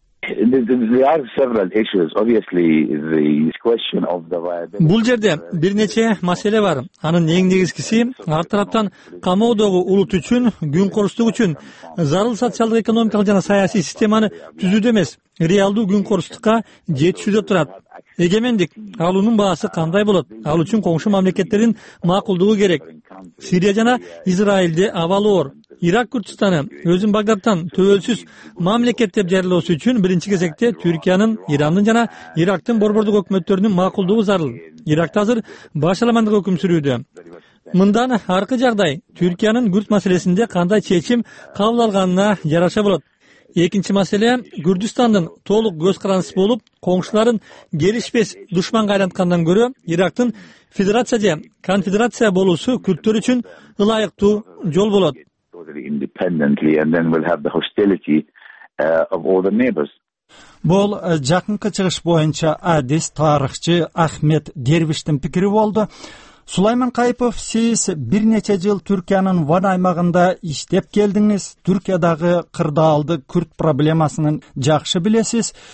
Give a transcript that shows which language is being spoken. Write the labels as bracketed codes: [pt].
[en] There are several issues. Obviously, the question of the viability. [ky] Бул жерде бир нече маселе бар. Анын эң негизгиси ар тараптан камоодогу улут үчүн, күн корсуздугу үчүн зарыл социалдык, экономикалык жана саясий системаны түзүүдө эмес, реалдуу күн корсуздукка жетишүүдө турат. Эгемендик алуунун баасы кандай болот? Ал үчүн коңшу мамлекеттердин макулдугу керек. Сирия жана Израилде абал оор. Ирак Күрдистаны өзүн Багдаддан төбөлсүз мамлекет деп жарылоосу үчүн биринчи кезекте Түркиянын, Ирандын жана Ирактын борбордук өкмөттөрүнүн макулдугу зарыл. Иракта азыр баш аламандык өкүм сүрүүдө. Мындан аркы жагдай Түркиянын күрд маселесинде кандай чечим кабыл алганына жараша болот. Экинчи маселе Күрдистандын толук көз карансыз болуп, коңшуларын келишпес душманга айланткандан көрө Ирактын федерация же конфедерация болуусу күрдтөр үчүн ылайыктуу жол болот. [en] Independently and then we'll have the hostility of all the neighbors. [ky] Бул жакынкы чыгыш боюнча адис тарыхчы Ахмед Дервиштин пикири болду. Сулайман Кайыпов, сиз бир нече жыл Түркиянын Ван аймагында иштеп келдиңиз. Түркиядагы кырдаалды күрд проблемасынын жакшы билесиз.